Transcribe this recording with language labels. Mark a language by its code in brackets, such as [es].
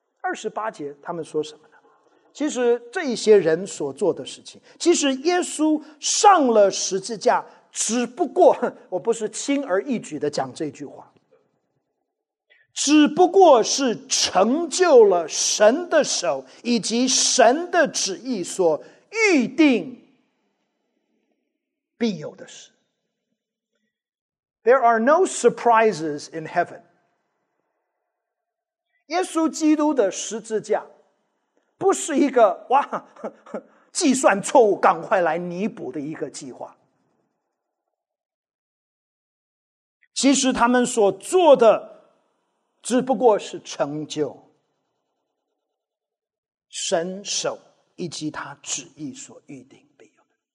[zh] 二十八节他们说什么呢？其实这些人所做的事情，其实耶稣上了十字架，只不过我不是轻而易举的讲这句话，只不过是成就了神的手以及神的旨意所预定必有的事。 [en] There are no surprises in heaven. [zh] 耶稣基督的十字架不是一个哇计算错误赶快来弥补的一个计划。其实他们所做的只不过是成就神手以及他旨意所预定必有的。